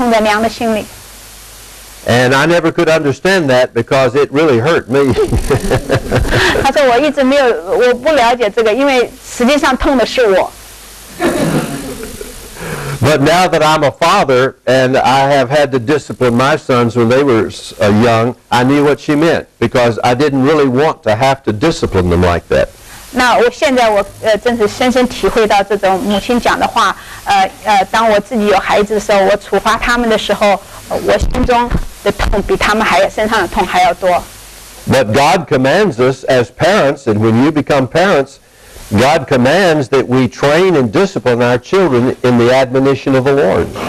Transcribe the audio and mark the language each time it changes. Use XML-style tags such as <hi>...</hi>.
<en>And I never could understand that because it really hurt me.</en> <zh>他说我不了解这个,因为实际上痛的是我。</zh> <en>But now that I'm a father and I have had to discipline my sons when they were young, I knew what she meant because I didn't really want to have to discipline them like that.</en> <zh>那我现在我真是深深体会到这种母亲讲的话,当我自己有孩子的时候,我处罚他们的时候,我心中</zh> <en>But God commands us as parents, and when you become parents, God commands that we train and discipline our children in the admonition of the Lord.</en>